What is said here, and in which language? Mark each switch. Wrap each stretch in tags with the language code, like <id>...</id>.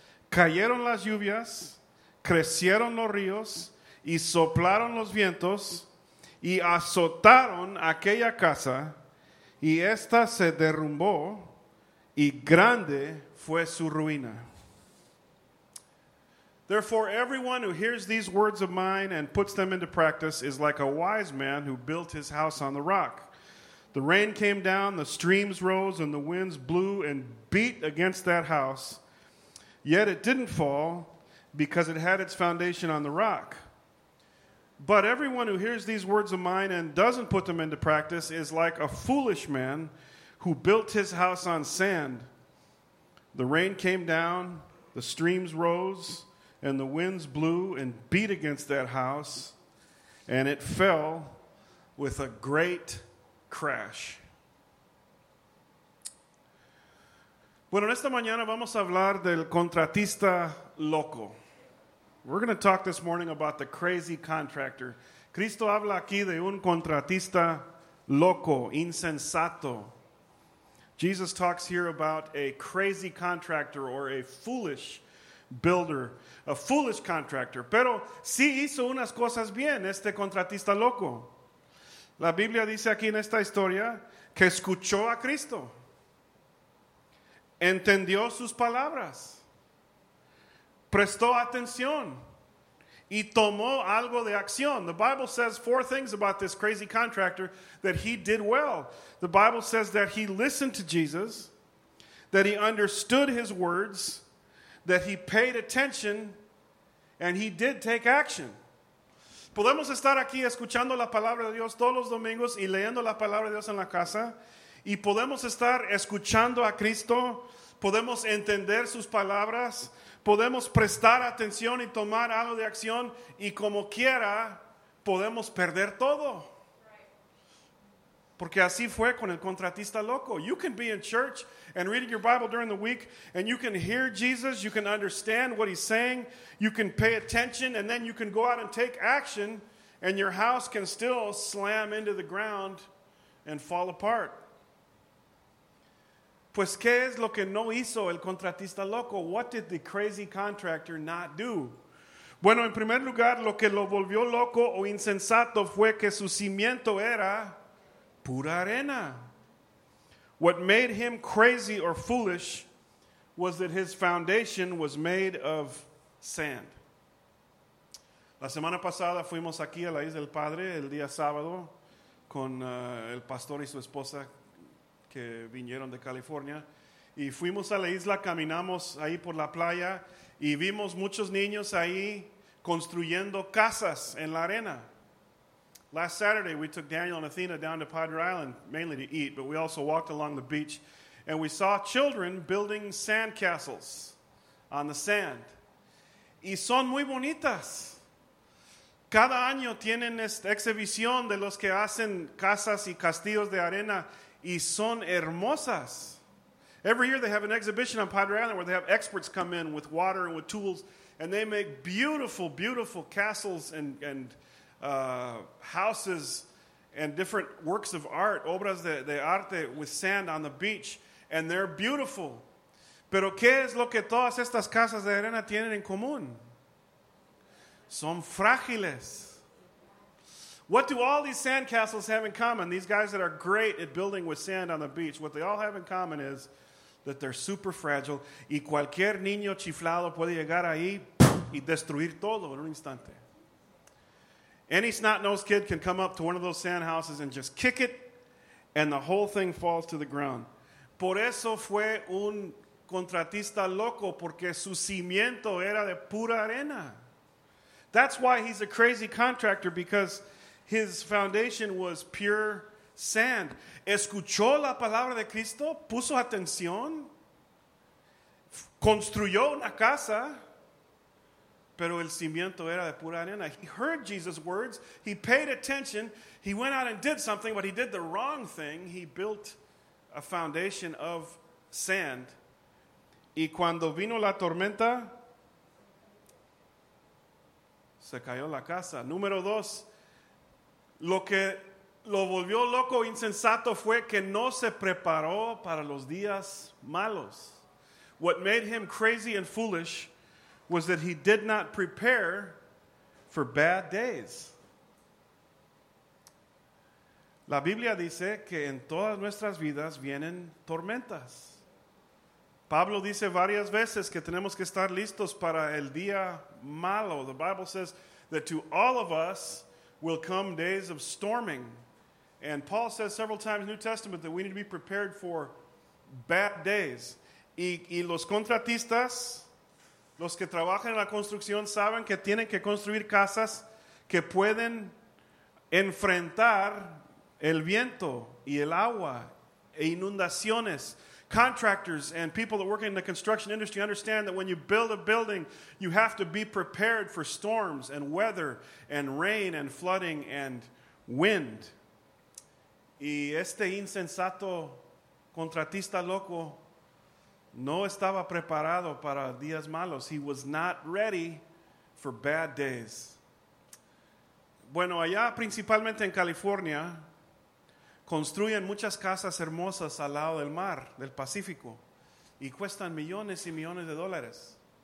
<es>Cayeron las lluvias, crecieron los ríos y soplaron los vientos y azotaron aquella casa, y ésta se derrumbó, y grande fue su ruina.</es> <en>Therefore, everyone who hears these words of mine and puts them into practice is like a wise man who built his house on the rock. The rain came down, the streams rose, and the winds blew and beat against that house. Yet it didn't fall, because it had its foundation on the rock. But everyone who hears these words of mine and doesn't put them into practice is like a foolish man who built his house on sand. The rain came down, the streams rose, and the winds blew and beat against that house, and it fell with a great crash.</en> <es>Bueno, esta mañana vamos a hablar del contratista loco.</es> <en>We're going to talk this morning about the crazy contractor.</en> <es>Cristo habla aquí de un contratista loco, insensato.</es> <en>Jesus talks here about a crazy contractor or a foolish builder, a foolish contractor.</en> <es>Pero sí hizo unas cosas bien este contratista loco. La Biblia dice aquí en esta historia que escuchó a Cristo. Entendió sus palabras. Prestó atención. Y tomó algo de acción.</es> <en>The Bible says four things about this crazy contractor that he did well. The Bible says that he listened to Jesus, that he understood his words, that he paid attention, and he did take action.</en> <es>Podemos estar aquí escuchando la palabra de Dios todos los domingos y leyendo la palabra de Dios en la casa. Y podemos estar escuchando a Cristo. Podemos entender sus palabras. Podemos prestar atención y tomar algo de acción y como quiera podemos perder todo. Porque así fue con el contratista loco.</es> <en>You can be in church and reading your Bible during the week and you can hear Jesus, you can understand what he's saying, you can pay attention and then you can go out and take action and your house can still slam into the ground and fall apart.</en> <es>Pues, ¿qué es lo que no hizo el contratista loco?</es> <en>What did the crazy contractor not do?</en> <es>Bueno, en primer lugar, lo que lo volvió loco o insensato fue que su cimiento era pura arena.</es> <en>What made him crazy or foolish was that his foundation was made of sand.</en> <es>La semana pasada fuimos aquí a la Isla del Padre, el día sábado, con el pastor y su esposa, que vinieron de California, y fuimos a la isla, caminamos ahí por la playa y vimos muchos niños ahí construyendo casas en la arena.</es> <en>Last Saturday, we took Daniel and Athena down to Padre Island, mainly to eat, but we also walked along the beach, and we saw children building sand castles on the sand.</en> <es>Y son muy bonitas. Cada año tienen esta exhibición de los que hacen casas y castillos de arena. Y son hermosas.</es> <en>Every year they have an exhibition on Padre Island where they have experts come in with water and with tools, and they make beautiful, beautiful castles and houses and different works of art,</en> <es>obras de arte</es> <en>with sand on the beach, and they're beautiful.</en> <es>Pero ¿qué es lo que todas estas casas de arena tienen en común? Son frágiles.</es> <en>What do all these sand castles have in common? These guys that are great at building with sand on the beach, what they all have in common is that they're super fragile.</en> <es>Y cualquier niño chiflado puede llegar ahí y destruir todo en un instante.</es> <en>Any snot-nosed kid can come up to one of those sand houses and just kick it, and the whole thing falls to the ground.</en> <es>Por eso fue un contratista loco, porque su cimiento era de pura arena.</es> <en>That's why he's a crazy contractor, because his foundation was pure sand.</en> <es>Escuchó la palabra de Cristo, puso atención, construyó una casa, pero el cimiento era de pura arena.</es> <en>He heard Jesus' words, he paid attention, he went out and did something, but he did the wrong thing. He built a foundation of sand.</en> <es>Y cuando vino la tormenta, se cayó la casa. Número dos, lo que lo volvió loco, insensato, fue que no se preparó para los días malos.</es> <en>What made him crazy and foolish was that he did not prepare for bad days.</en> <es>La Biblia dice que en todas nuestras vidas vienen tormentas. Pablo dice varias veces que tenemos que estar listos para el día malo.</es> <en>The Bible says that to all of us will come days of storming. And Paul says several times in the New Testament that we need to be prepared for bad days.</en> <es>Y los contratistas, los que trabajan en la construcción, saben que tienen que construir casas que pueden enfrentar el viento y el agua e inundaciones.</es> <en>Contractors and people that work in the construction industry understand that when you build a building, you have to be prepared for storms and weather and rain and flooding and wind.</en> <es>Y este insensato contratista loco no estaba preparado para días malos.</es> <en>He was not ready for bad days.</en> <es>Bueno, allá principalmente en California, construyen muchas casas hermosas al lado del mar, del Pacífico, y cuestan millones y millones de dólares.</es>